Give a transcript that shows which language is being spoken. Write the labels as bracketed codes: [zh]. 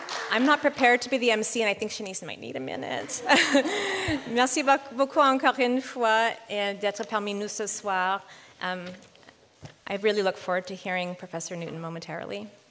[en] I'm not prepared to be the MC, and I think Shanice might need a minute. [fr] Merci beaucoup encore une fois d'être parmi nous ce soir. [en] I really look forward to hearing Professor Newton momentarily.